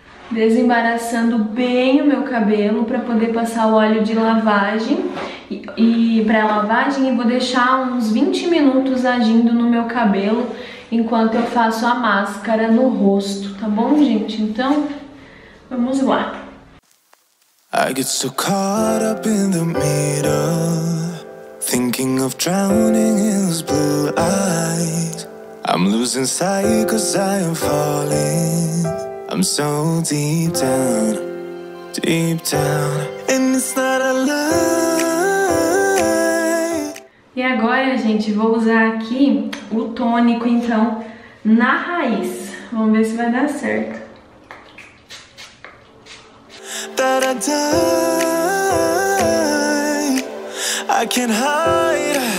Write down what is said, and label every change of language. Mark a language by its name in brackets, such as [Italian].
[Portuguese] Desembaraçando bem o meu cabelo para poder passar o óleo de lavagem e pré-lavagem, e vou deixar uns 20 minutos agindo no meu cabelo enquanto eu faço a máscara no rosto, tá bom, gente? Então, Vamos lá. [English] I get so caught up in the middle, thinking of drowning in those blue eyes. I'm losing sight cause I am falling. I'm so deep down, deep down. And it's not a lie. [Portuguese] E agora, gente, vou usar aqui o tônico, então, na raiz. Vamos ver se vai dar certo. [English] That I die, I can't hide.